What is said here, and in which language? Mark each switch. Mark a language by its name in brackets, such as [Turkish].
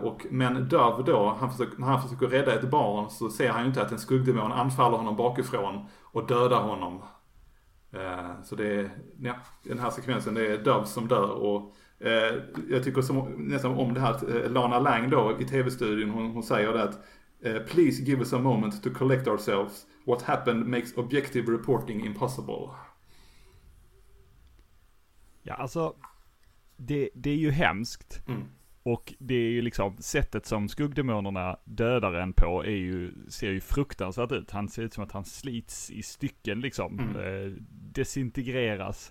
[Swedish] Men Dove då, när han försöker rädda ett barn, så ser han ju inte att en skuggdemon anfaller honom bakifrån och dödar honom. Så det är, ja, den här sekvensen, det är Dove som dör. Och jag tycker nästan om det här att Lana Lang då i tv-studion, hon säger det att [English] please give us a moment to collect ourselves. What happened makes objective reporting impossible. [Swedish] Ja, alltså det är ju hemskt. Mm. Och det är ju liksom sättet som skuggdemonerna dödar en på är ju, ser ju fruktansvärt ut. Han ser ut som att han slits i stycken liksom. Mm. Desintegreras.